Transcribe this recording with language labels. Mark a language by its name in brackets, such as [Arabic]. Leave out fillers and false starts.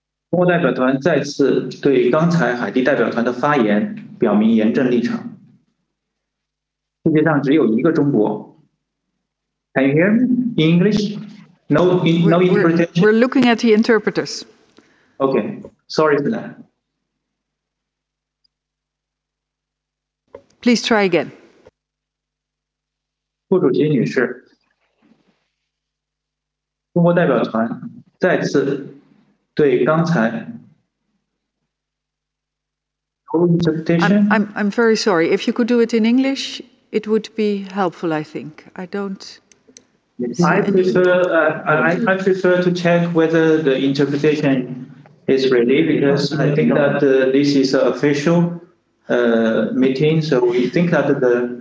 [Chinese] 中国代表团再次对刚才海地代表团的发言表明严正立场。世界上只有一个中国。 [English] Can you hear me in English? No, no We're interpretation. looking at the interpreters. Okay, sorry for that. Please try again. [Chinese] 副主席女士，中国代表团再次对刚才， no interpretation。 [English] I'm very sorry. If you could do it in English, it would be helpful, I think. I don't see any. I prefer to check whether the interpretation is ready because I think that this is an official meeting, so we think that the